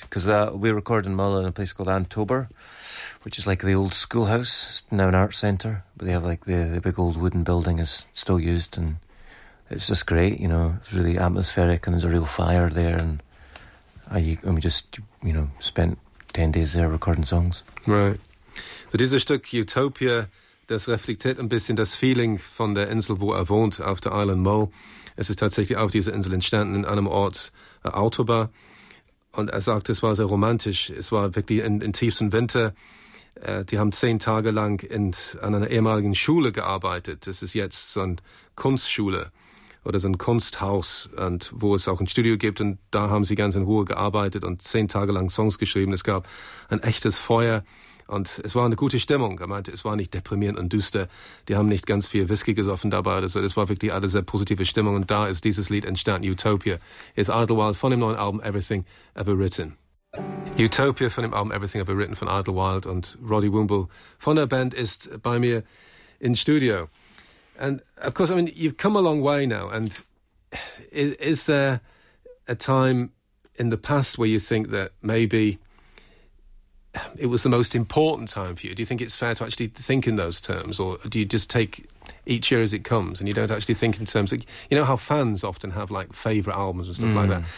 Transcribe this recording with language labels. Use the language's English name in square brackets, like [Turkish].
[English] Because we recorded in Mull in a place called Antober, which is like the old schoolhouse. It's now an art centre. But they have like the big old wooden building is still used. And it's just great, you know. It's really atmospheric and there's a real fire there and we just, you know, spent 10 days there recording songs. Right. [German] So dieses Stück Utopia, das reflektiert ein bisschen das Feeling von der Insel, wo er wohnt, auf der Island Mull. Es ist tatsächlich auf dieser Insel entstanden, in einem Ort, Autobahn. Und er sagt, es war sehr romantisch. Es war wirklich in tiefsten Winter. Die haben 10 Tage lang an einer ehemaligen Schule gearbeitet. Das ist jetzt so eine Kunstschule. Oder so ein Kunsthaus, und wo es auch ein Studio gibt. Und da haben sie ganz in Ruhe gearbeitet und 10 Tage lang Songs geschrieben. Es gab ein echtes Feuer und es war eine gute Stimmung. Er meinte, es war nicht deprimierend und düster. Die haben nicht ganz viel Whisky gesoffen dabei. Also es war wirklich eine sehr positive Stimmung. Und da ist dieses Lied entstanden, Utopia. Hier ist Idlewild von dem neuen Album Everything Ever Written. Utopia von dem Album Everything Ever Written von Idlewild. Und Roddy Woomble von der Band ist bei mir im Studio. [English] And of course, I mean, you've come a long way now. And is there a time in the past where you think that maybe it was the most important time for you? Do you think it's fair to actually think in those terms? Or do you just take each year as it comes and you don't actually think in terms of, you know, how fans often have like favorite albums and stuff like that?